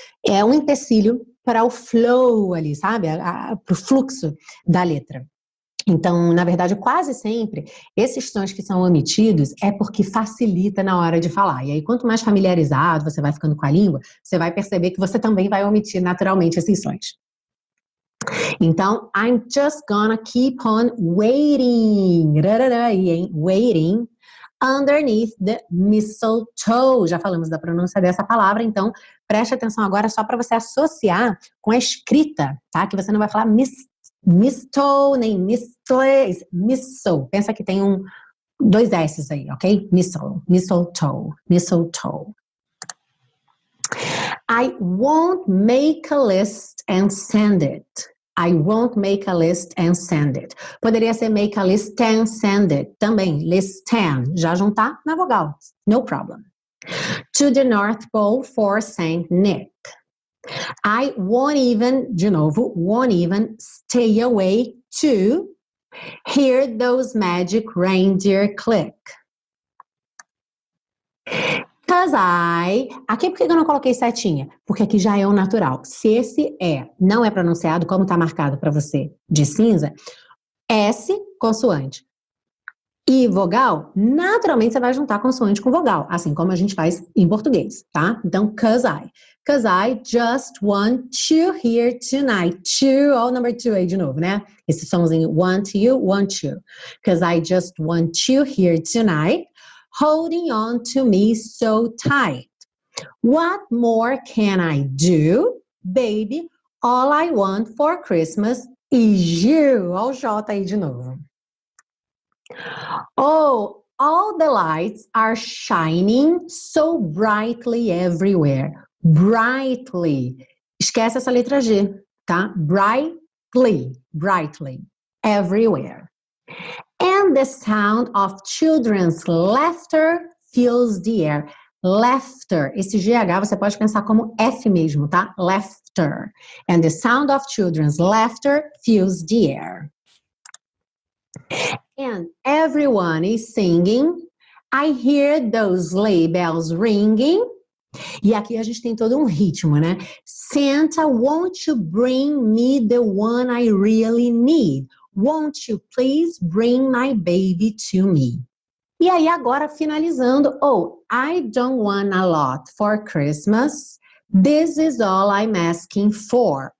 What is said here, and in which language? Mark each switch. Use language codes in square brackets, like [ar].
[pt] É um empecilho para o flow ali, sabe? Para o fluxo da letra. Então, na verdade, quase sempre, esses sons que são omitidos é porque facilita na hora de falar. E aí, quanto mais familiarizado você vai ficando com a língua, você vai perceber que você também vai omitir naturalmente esses sons. Então, [en] I'm just gonna keep on waiting. Waiting. Underneath the mistletoe. [pt] Já falamos da pronúncia dessa palavra, então preste atenção agora só para você associar com a escrita, tá? Que você não vai falar mistletoe nem mistletoe. Mistletoe. Pensa que tem dois S's aí, ok? [en] Mistletoe. Mistletoe. Mistletoe. I won't make a list and send it. I won't make a list and send it. [pt] Poderia ser [en] make a list and send it. [pt] Também, [en] list and. [pt] Já juntar na vogal. [en] No problem. To the North Pole for St. Nick. I won't even, [pt] de novo, [en] won't even stay away to hear those magic reindeer click. Cause I... [pt] Aqui por que eu não coloquei setinha? Porque aqui já é o natural. Se esse E não é pronunciado, como tá marcado para você de cinza, S, consoante, e vogal, naturalmente você vai juntar consoante com vogal, assim como a gente faz em português, tá? Então, [en] cause I. Cause I just want you here tonight. To, all number two [pt] aí de novo, né? Esse somzinho, [en] want you. Cause I just want you here tonight. Holding on to me so tight. What more can I do? Baby, all I want for Christmas [pt] Gil, olha o Jota aí de novo. [en] Oh, all the lights are shining so brightly everywhere. [pt] Brightly. Esquece essa letra G, tá? [en] Brightly, brightly, everywhere. And the sound of children's laughter fills the air. [pt] Laughter, esse GH você pode pensar como F mesmo, tá? [en] Laughter. And the sound of children's laughter fills the air. And everyone is singing. I hear those sleigh bells ringing. [pt] E aqui a gente tem todo um ritmo, né? [en] Santa, won't you bring me the one I really need? Won't you please bring my baby to me? [pt] E aí, agora finalizando, [en] oh, I don't want a lot for Christmas. This is all I'm asking for.